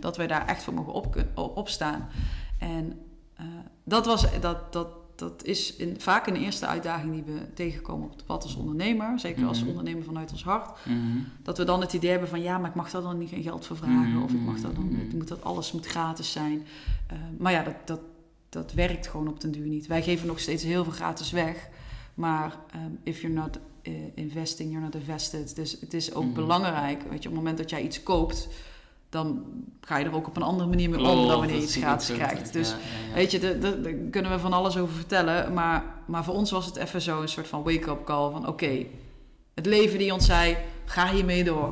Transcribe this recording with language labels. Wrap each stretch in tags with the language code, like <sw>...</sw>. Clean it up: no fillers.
<nl>Dat wij daar echt voor mogen opstaan. En dat is vaak een eerste uitdaging die we tegenkomen op het pad als ondernemer. Zeker als ondernemer vanuit ons hart. Dat we dan het idee hebben van, ja, maar ik mag daar dan niet geen geld voor vragen. Of ik mag dat dan, alles moet gratis zijn. Maar ja, dat werkt gewoon op den duur niet. Wij geven nog steeds heel veel gratis weg.</nl> <en>Maar if you're not investing, you're not invested.</en> <nl>Dus het is ook belangrijk, weet je, op het moment dat jij iets koopt, dan ga je er ook op een andere manier mee om dan wanneer je iets gratis krijgt. Dus weet je, daar kunnen we van alles over vertellen. Maar voor ons was het even zo een soort van wake-up call. Van oké, het leven die ons zei, ga hiermee door.</nl>